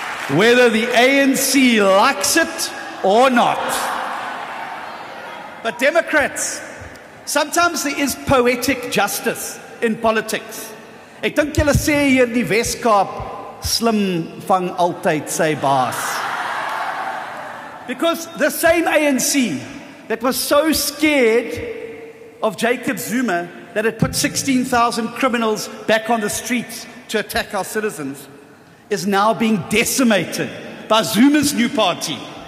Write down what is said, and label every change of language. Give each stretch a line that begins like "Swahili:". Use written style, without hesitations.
English: Whether the ANC likes it or not. But Democrats, sometimes there is poetic justice in politics.
Afrikaans: Ek dink julle sê hier in die Weskaap, slim vang altyd sy baas.
English: Because the same ANC that was so scared of Jacob Zuma that it put 16,000 criminals back on the streets to attack our citizens is now being decimated by Zuma's new party.